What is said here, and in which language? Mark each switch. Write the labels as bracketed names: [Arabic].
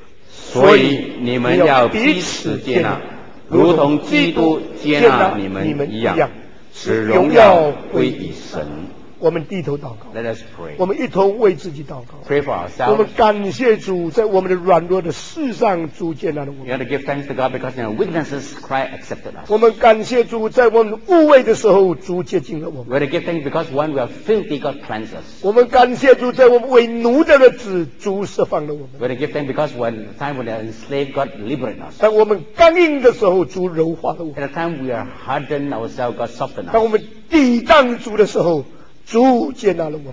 [Chinese] 所以你们要彼此接纳，如同基督接纳你们一样，使荣耀归于神。我们低头祷告 [English] Let us pray. [Chinese] 我们一同为自己祷告 [English] Pray for ourselves. [Chinese] 我们感谢主在我们的软弱的世上主接纳了我们 [English] You have to give thanks to God because in our weaknesses Christ accepted us [Chinese] 我们感谢主在我们污秽的时候主接近了我们 [English] We have to give thanks because when we are filthy God cleanses us [Chinese] 我们感谢主在我们为奴的日子主释放了我们 [English] We have to give thanks because when time when we are enslaved God liberates us [Chinese] 当我们刚硬的时候主柔化了我们 [English] At the time we are hardened ourselves God softens us [Chinese] 当我们抵挡主的时候主接纳了我们